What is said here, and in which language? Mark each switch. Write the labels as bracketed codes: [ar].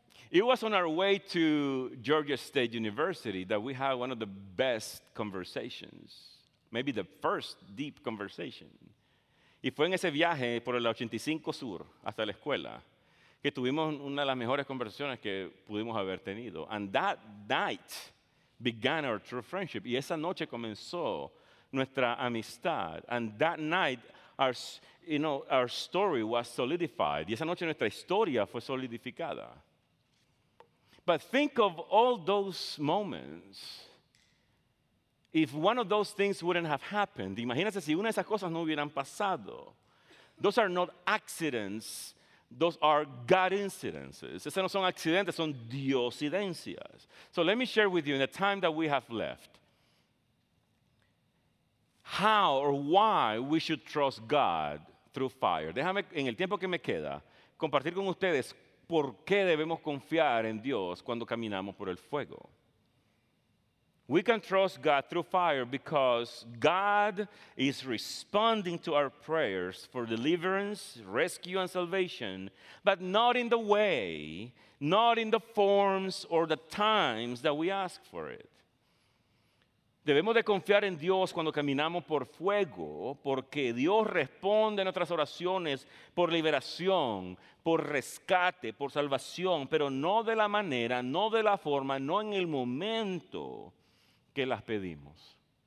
[en] It was on our way to Georgia State University that we had one of the best conversations. Maybe the first deep conversation. [es] Y fue en ese viaje por el 85 Sur hasta la escuela que tuvimos una de las mejores conversaciones que pudimos haber tenido. [en] And that night began our true friendship. [es] Y esa noche comenzó nuestra amistad. [en] And that night, our story was solidified. [es] Y esa noche nuestra historia fue solidificada. [en] But think of all those moments. If one of those things wouldn't have happened, [es] imagínense si una de esas cosas no hubieran pasado. [en] Those are not accidents. Those are God incidences. [es] Esas no son accidentes, son diocidencias. [en] So let me share with you in the time that we have left how or why we should trust God through fire. [es] Déjame, en el tiempo que me queda, compartir con ustedes por qué debemos confiar en Dios cuando caminamos por el fuego. [en] We can trust God through fire because God is responding to our prayers for deliverance, rescue, and salvation, but not in the way, not in the forms or the times that we ask for it. [es] Debemos de confiar en Dios cuando caminamos por fuego, porque Dios responde a nuestras oraciones por liberación, por rescate, por salvación, pero no de la manera, no de la forma, no en el momento que las pedimos.